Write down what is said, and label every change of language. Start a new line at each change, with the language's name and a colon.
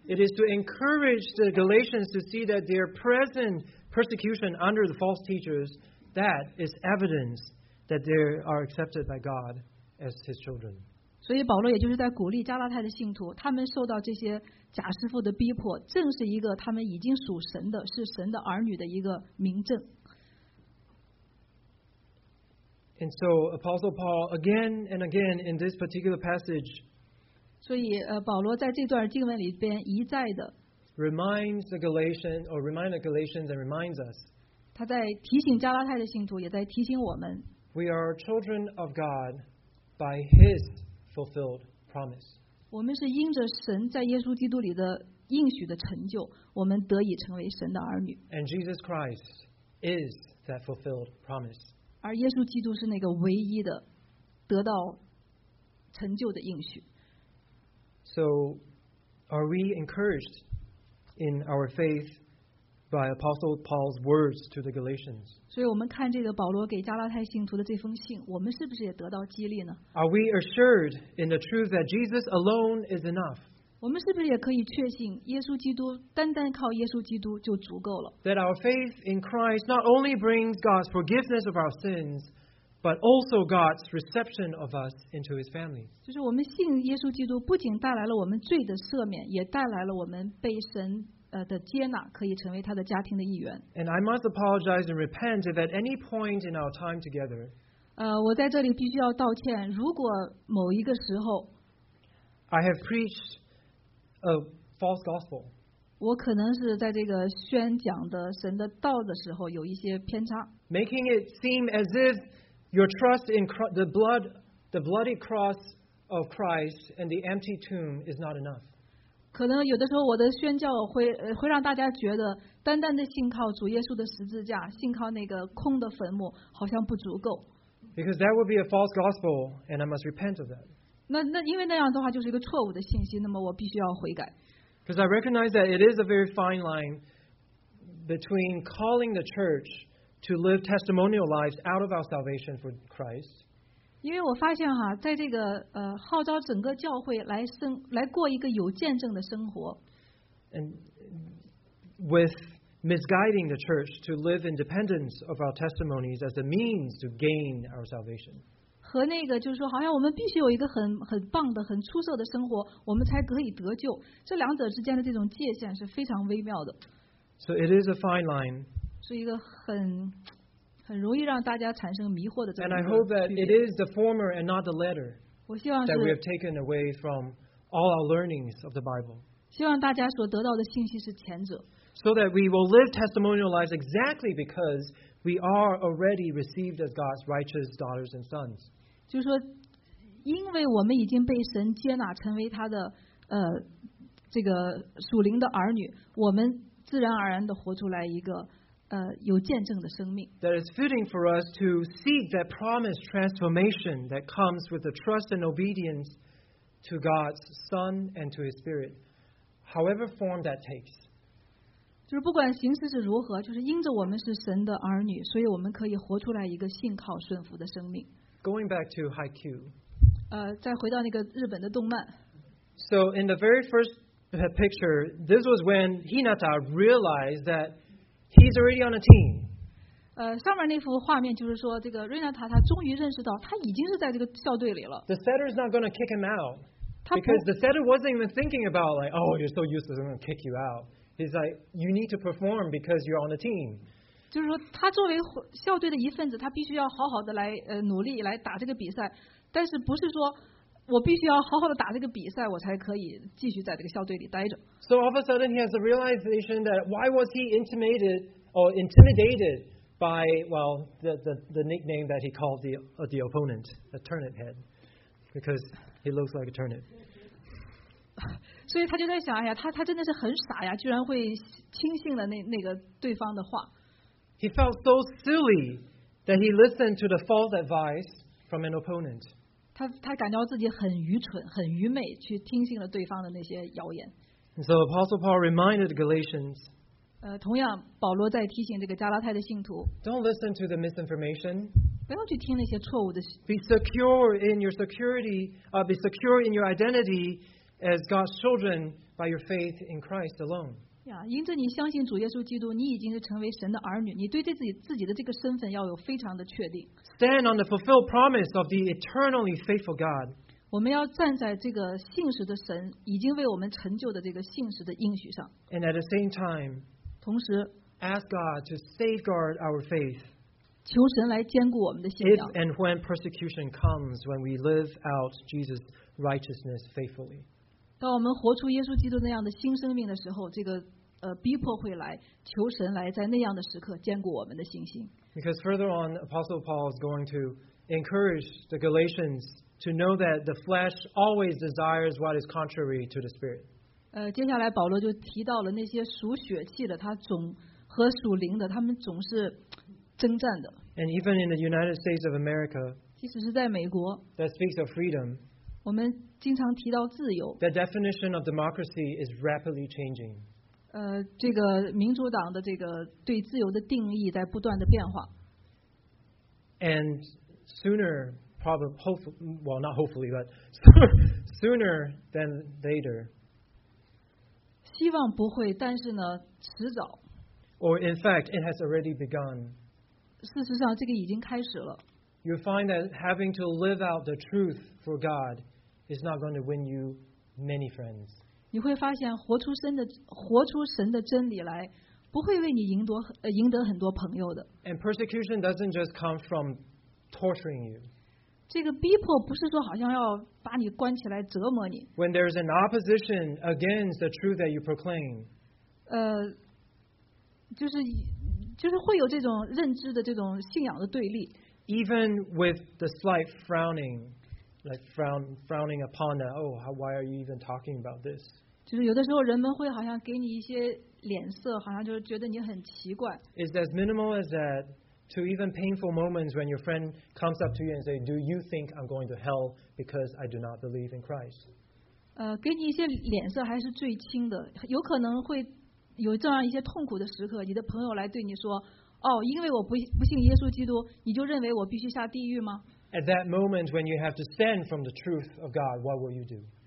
English: It is to encourage the Galatians to see that their present persecution under the false teachers, that is evidence that they are accepted by God as His children.
Chinese: 所以保罗也就是在鼓励加拉太的信徒，他们受到这些假师父的逼迫，正是一个他们已经属神的，是神的儿女的一个明证。
English: And so Apostle Paul, again and again in this particular passage.
Chinese: 所以保罗在这段经文里边一再的
English: remind the Galatians and reminds us
Chinese: 他在提醒加拉太的信徒，也在提醒我们
English: we are children of God by His fulfilled promise.
Chinese: 我们是因着神在耶稣基督里的应许的成就，我们得以成为神的儿女。
English: And Jesus Christ is that fulfilled promise.
Chinese: 而耶稣基督是那个唯一的得到成就的应许。
English: So, are we encouraged in our faith by Apostle Paul's words to the Galatians?
Chinese: 所以我们看这个保罗给加拉太信徒的这封信，我们是不是也得到激励呢？
English: Are we assured in the truth that Jesus alone is enough?
Chinese: 我们是不是也可以确信耶稣基督，单单靠耶稣基督就足够了？
English: That our faith in Christ not only brings God's forgiveness of our sins, but also God's reception of us into His family.
Chinese: 就是我们信耶稣基督，不仅带来了我们罪的赦免，也带来了我们被神的接纳，可以成为他的家庭的一员。
English: And I must apologize and repent if at any point in our time together.
Chinese: 我在这里必须要道歉。如果某一个时候
English: ，I have preached a false gospel.
Chinese: 我可能是在这个宣讲的神的道的时候有一些偏差
English: ，making it seem as if your trust in the bloody cross of Christ and the empty tomb is not enough.
Chinese: 可能有的时候我的宣教会让大家觉得单单的信靠主耶稣的十字架，信靠那个空的坟墓好像不足够。
English: Because that would be a false gospel, and I must repent of that.
Chinese: 那因为那样的话就是一个错误的信息，那么我必须要悔改。
English: Because I recognize that it is a very fine line between calling the church. To live testimonial lives out of our salvation for Christ.
Chinese: 因为我发现哈，在这个号召整个教会来过一个有见证的生活。
English: And with misguiding the church to live independence of our testimonies as a means to gain our salvation.
Chinese: 和那个就是说好像我们必须有一个很棒的很出色的生活我们才可以得救，这两者之间的这种界限是非常微妙的。
English: So it is a fine line.
Chinese: 是一个很容易让大家产生迷惑的这种。
English: And I hope that it is the former and not the latter.
Chinese: 我希望是
English: that we have taken away from all our learnings of the Bible.
Chinese: 希望大家所得到的信息是前者。
English: So that we will live testimonial lives exactly becauseWe are already received as God's righteous daughters and sons.
Chinese: 就是说，因为我们已经被神接纳成为他的这个属灵的儿女，我们自然而然地活出来一个有见证的生命。
English: That is fitting for us to seek that promised transformation that comes with the trust and obedience to God's Son and to His Spirit, however form that takes.
Chinese: 就是不管形式是如何，就是因着我们是神的儿女，所以我们可以活出来一个信靠顺服的生命。
English: Going back to Haikyuu，
Chinese: 再回到那个日本的动漫。
English: So in the very first picture, this was when Hinata realized that he's already on a team.
Chinese: 上面那幅画面就是说，这个 Hinata 他终于认识到他已经是在这个校队里了。
English: The setter is not going to kick him out because the setter wasn't even thinking about like, oh, you're so useless, I'm going to kick you out. He's like, you need to perform because you're on the team.
Chinese: 就是说，他作为校队的一份子，他必须要好好的来努力来打这个比赛。但是不是说我必须要好好的打这个比赛，我才可以继续在这个校队里待着
English: ？So all of a sudden, he has a realization that why was he intimidated by well the nickname that he called the opponent, a turnip head, because he looks like a turnip.
Chinese: 所以他就在想，哎呀，他真的是很傻呀，居然会轻信了那个对方的话。
English: He felt so silly that he listened to the false advice from an opponent.
Chinese: 他感到自己很愚蠢，很愚昧，去听信了对方的那些谣言。
English: And so Apostle Paul reminded Galatians.
Chinese: 同样，保罗在提醒这个加拉太的信徒。
English: Don't listen to the misinformation.
Chinese: 不要去听那些错误的。
English: Be secure in your security. Be secure in your identity. As God's children by your faith in Christ alone.
Chinese: Yeah, 因着你相信主耶稣基督，你已经是成为神的儿女，你对自己的这个身份要有非常的确定。
English: Stand on the fulfilled promise of the eternally faithful God.
Chinese: 我们要站在这个信实的神已经为我们成就的这个信实的应许上。
English: And at the same time,
Chinese: 同时
English: ask God to safeguard our faith.
Chinese: 求神来坚固我们的信仰。
English: If and when persecution comes, when we live out Jesus. Righteousness faithfully.
Chinese: 当我们活出耶稣基督那样的新生命的时候，这个逼迫会来，求神来在那样的时刻坚固我们的信心。
English: Because further on, Apostle Paul is going to encourage the Galatians to know that the flesh always desires what is contrary to the spirit.
Chinese: 接下来保罗就提到了那些属血气的，他总和属灵的，他们总是征战的。
English: And even in the United States of America,
Chinese: 即使是在美国
English: ，that speaks of freedom.
Chinese: 我们经常提到自由。
English: The definition of democracy is rapidly changing.
Chinese: 这个民主党的这个对自由的定义在不断的变化。
English: And sooner, probably, well, not hopefully, but sooner than later.
Chinese: 希望不会，但是呢，迟早。
English: Or in fact, it has already begun.
Chinese: 事实上，这个已经开始了。
English: You find that having to live out the truth for God. Is not going to win you many friends.
Chinese: 你会发现活出神的真理来，不会为你赢得很多朋友的。
English: And persecution doesn't just come from torturing you.
Chinese: 这个逼迫不是说好像要把你关起来折磨你。
English: When there is an opposition against the truth that you proclaim,
Chinese: 就是会有这种认知的这种信仰的对立。
English: Even with the slight frowning. Like frowning upon that. Oh, why are you even talking about this?
Chinese: 就是有的时候人们会好像给你一些脸色，好像就是觉得你很奇怪。
English: It's as minimal as that to even painful moments when your friend comes up to you and say, "Do you think I'm going to hell because I do not believe in Christ?"
Chinese: 给你一些脸色还是最轻的，有可能会有这样一些痛苦的时刻，你的朋友来对你说，哦，因为我不信耶稣基督，你就认为我必须下地狱吗？
English: At that moment when you have to stand from the truth of God, what will you do?